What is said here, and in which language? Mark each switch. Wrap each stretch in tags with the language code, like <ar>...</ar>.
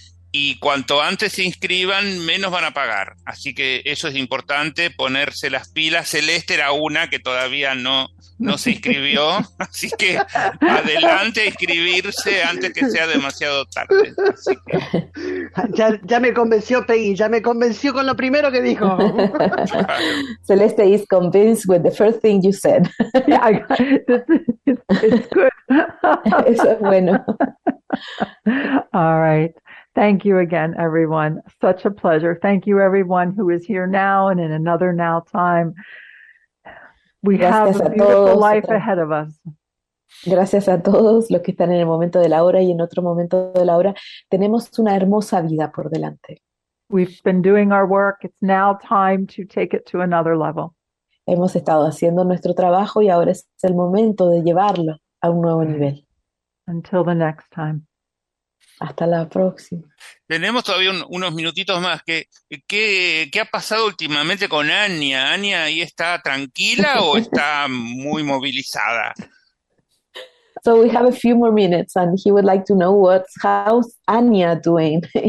<es>Y cuanto antes se inscriban, menos van a pagar. Así que eso es importante, ponerse las pilas. Celeste era una que todavía no se inscribió. Así que adelante a inscribirse antes que sea demasiado tarde. Así que... Ya me convenció Peggy, ya me convenció con lo primero que dijo.</es> <en>Celeste is convinced with the first thing you said. Yeah, it's good.</en> <es>Eso es bueno.</es> <en>All right. Thank you again, everyone. Such a pleasure. Thank you, everyone who is here now and in another now time. We have a beautiful life ahead of us.</en> <es>Gracias a todos los que están en el momento de la hora y en otro momento de la hora. Tenemos una hermosa vida por delante.</es> <en>We've been doing our work. It's now time to take it to another level.</en> <es>Hemos estado haciendo nuestro trabajo y ahora es el momento de llevarlo a un nuevo nivel.</es> <en>Until the next time.</en> <es>Hasta la próxima. Tenemos todavía unos minutitos más. ¿Qué ha pasado últimamente con Anya? ¿Anya ahí está tranquila o está muy movilizada?</es> <en>So we have a few more minutes and he would like to know how's Anya doing?</en>